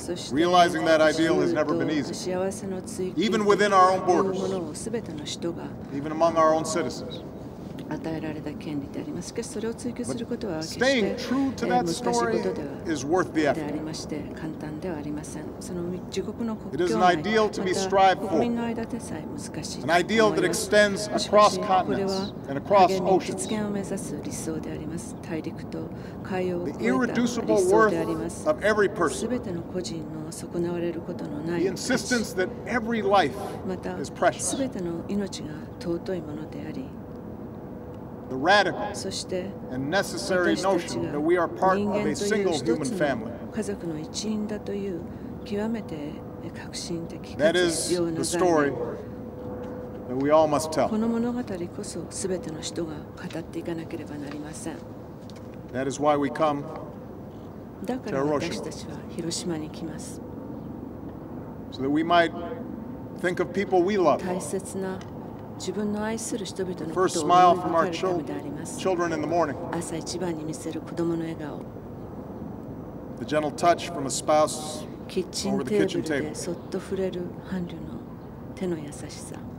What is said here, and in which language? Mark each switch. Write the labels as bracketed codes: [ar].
[en] Realizing that ideal has never been easy, even within our own borders, even among our own citizens. [ja] 与えられた権利であります。しかしそれを追求することは決して難しいことではありまして、簡単ではありません。その自国の国境内、また国民の間でさえ難しいと思います。しかしこれは無限に実現を目指す理想であります。大陸と海洋を越えた理想であります。すべての個人の損なわれることのない価値、またすべての命が尊いものであり、 [en] The radical and necessary notion that we are part of a single human family. [ja] 家族の一員だという極めて革新的な概念。この物語こそ全ての人が語っていかなければなりません。 [en] That is why we come to Hiroshima. [ja] だから私たちは広島に来ます。 [en] So that we might think of people we love. [ja] 大切な自分の愛する人々のことを思い分かるためであります。朝一番に見せる子供の笑顔、キッチンテーブルでそっと触れる伴侶の手の優しさ、